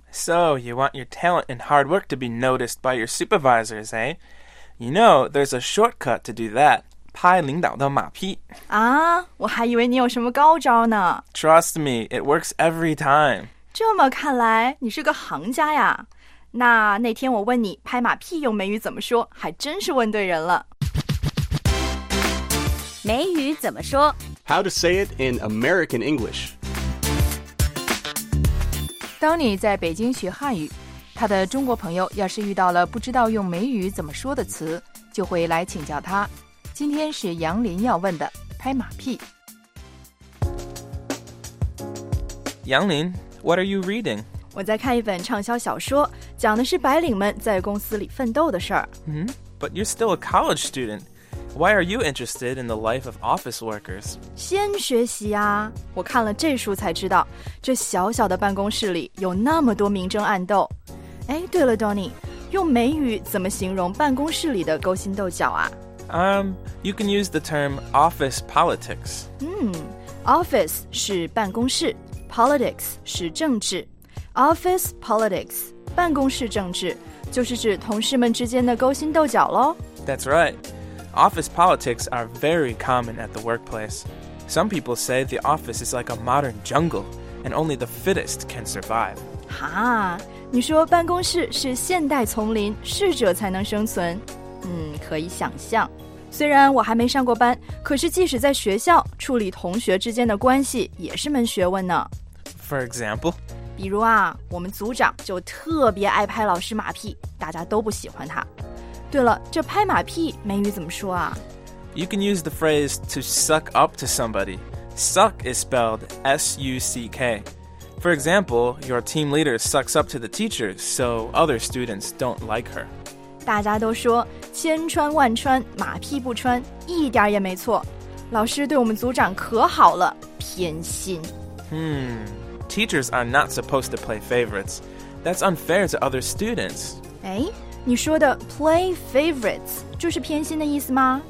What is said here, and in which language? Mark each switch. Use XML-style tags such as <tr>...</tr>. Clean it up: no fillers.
<en>So, you want your talent and hard work to be noticed by your supervisors, eh? You know, there's a shortcut to do that.</en> <zh>拍领导的马屁。啊，我还以为你有什么高招呢。</zh> <en>Trust me, it works every time.</en> <zh>这么看来，你是个行家呀。那天我问你拍马屁用美语怎么说，还真是问对人了。美语怎么说？</zh> <en>How to say it in American English.</en> <zh>当你在北京学汉语，他的中国朋友要是遇到了不知道用美语怎么说的词，就会来请教他。今天是杨林要问的，拍马屁。</zh> <en>杨林 ，What are you reading？</en> <zh>我在看一本畅销小说，讲的是白领们在公司里奋斗的事儿。</zh> <en>But you're still a college student. Why are you interested in the life of office workers？</en> <zh>先学习啊。我看了这书才知道，这小小的办公室里有那么多明争暗斗。哎，对了 ，Donny， 用美语怎么形容办公室里的勾心斗角啊</zh> <en>？You can use the term office politics.</en> <zh>Office 是办公室 ，politics 是政治。 Office politics 办公室政治就是指同事们之间的勾心斗角喽。</zh> <en>That's right. Office politics are very common at the workplace. Some people say the office is like a modern jungle, and only the fittest can survive.</en> <zh>哈，你说办公室是现代丛林，适者才能生存。可以想象。虽然我还没上过班，可是即使在学校，处理同学之间的关系也是门学问呢。</zh> <en>For example?</en> <zh>比如啊，我们组长就特别爱拍老师马屁，大家都不喜欢他。对了，这拍马屁美语怎么说啊？</zh> <en>You can use the phrase to suck up to somebody. Suck is spelled S-U-C-K. For example, your team leader sucks up to the teacher, so other students don't like her.</en> <zh>大家都说千穿万穿，马屁不穿，一点也没错。老师对我们组长可好了，偏心。</zh> <en>Teachers are not supposed to play favorites. That's unfair to other students.</en> <zh>你说的 play favorites 就是偏心的意思吗？</zh>